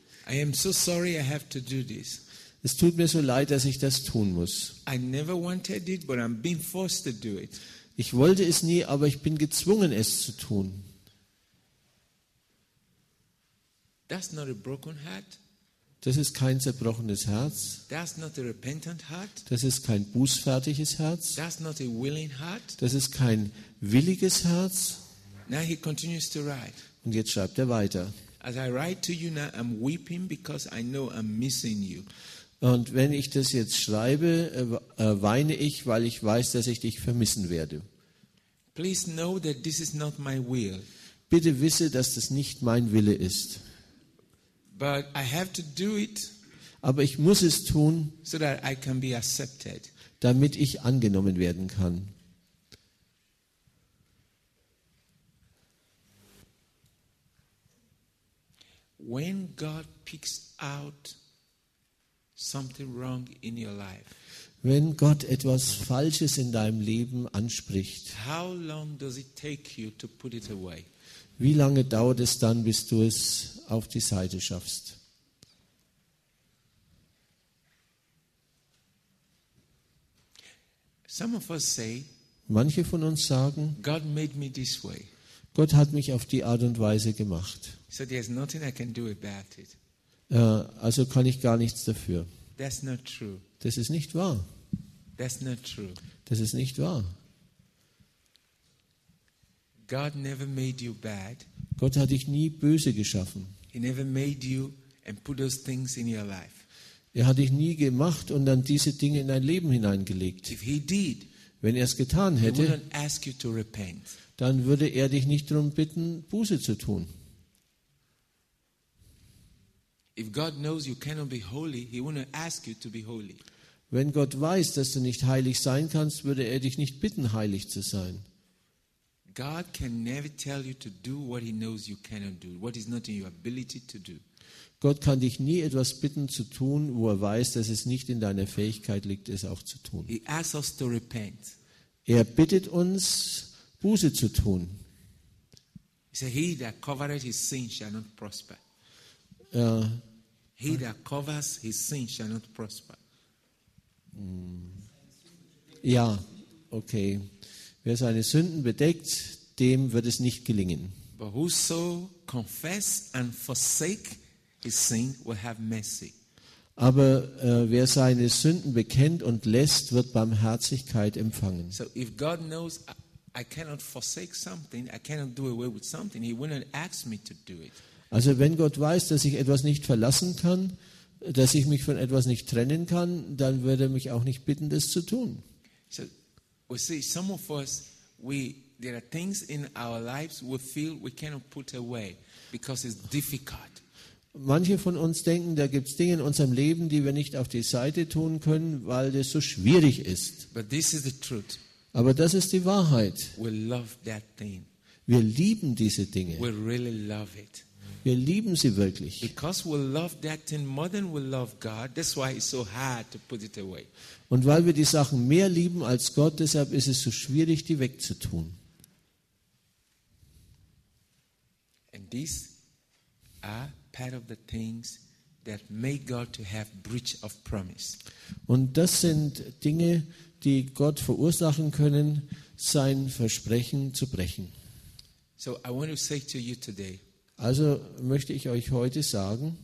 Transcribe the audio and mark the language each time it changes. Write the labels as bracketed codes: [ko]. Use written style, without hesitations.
[en] I am so sorry I have to do this. [de] Es tut mir so leid, dass ich das tun muss. [en] I never wanted it, but I'm being forced to do it. [de] Ich wollte es nie, aber ich bin gezwungen, es zu tun. [en] That's not a broken heart. [de] Das ist kein zerbrochenes Herz. [en] That's not a repentant heart. [de] Das ist kein bußfertiges Herz. [en] That's not a willing heart. [de] Das ist kein williges Herz. [en] Now he continues to write. [de] Und jetzt schreibt er weiter. [en] As I write to you now, I'm weeping because I know I'm missing you. [de] Und wenn ich das jetzt schreibe, weine ich, weil ich weiß, dass ich dich vermissen werde. [en] Please know that this is not my will. [de] Bitte wisse, dass das nicht mein Wille ist. [en] But I have to do it, [de] aber ich muss es tun, [en] so that I can be accepted, [de] damit ich angenommen werden kann. [en] When God picks out something wrong in your life, [de] wenn Gott etwas Falsches in deinem Leben anspricht, [en] how long does it take you to put it away? [de] Wie lange dauert es dann, bis du es auf die Seite schaffst? [en] Some of us say, [de] manche von uns sagen, [en] God made me this way. [de] Gott hat mich auf die Art und Weise gemacht. [en] So there's nothing I can do about it. [de] Also kann ich gar nichts dafür. [en] That's not true. [de] Das ist nicht wahr. [en] That's not true. [de] Das ist nicht wahr. [en] God never made you bad. [de] Gott hat dich nie böse geschaffen. [en] He never made you and put those things in your life. [de] Er hat dich nie gemacht und dann diese Dinge in dein Leben hineingelegt. [en] If he did, [de] wenn er es getan hätte, [en] he wouldn't ask you to repent. [de] Dann würde er dich nicht darum bitten, Buße zu tun. [en] If God knows you cannot be holy, he wouldn't ask you to be holy. [de] Wenn Gott weiß, dass du nicht heilig sein kannst, würde er dich nicht bitten, heilig zu sein. [en] God can never tell you to do what he knows you cannot do, what is not in your ability to do. [de] Gott kann dich nie etwas bitten zu tun, wo er weiß, dass es nicht in deiner Fähigkeit liegt, es auch zu tun. [en] He asks us to repent. [de] Er bittet uns, Buße zu tun. [en] He said, he that covereth his sin shall not prosper. He that covers his sin shall not prosper. [de] Ja, okay. Wer seine Sünden bedeckt, dem wird es nicht gelingen. [en] But whoso confess and forsake his sin will have mercy. [de] Aber wer seine Sünden bekennt und lässt, wird Barmherzigkeit empfangen. [en] So if God knows I cannot forsake something, I cannot do away with something, he will not ask me to do it. [de] Also wenn Gott weiß, dass ich etwas nicht verlassen kann, dass ich mich von etwas nicht trennen kann, dann wird er mich auch nicht bitten, das zu tun. [en] So, we see, some of us, there are things in our lives we feel we cannot put away, because it's difficult. [de] Manche von uns denken, da gibt es Dinge in unserem Leben, die wir nicht auf die Seite tun können, weil das so schwierig ist. [en] But this is the truth. [de] Aber das ist die Wahrheit. [en] We love that thing. [de] Wir lieben diese Dinge. [en] We really love it. [de] Wir lieben sie wirklich. [en] Because we love that thing more than we love God, that's why it's so hard to put it away. [de] Und weil wir die Sachen mehr lieben als Gott, deshalb ist es so schwierig, die wegzutun. [en] And these are part of the things that make God to have breach of promise. [de] Und das sind Dinge, die Gott verursachen können, sein Versprechen zu brechen. [en] So I want to say to you today. [de] Also möchte ich euch heute sagen,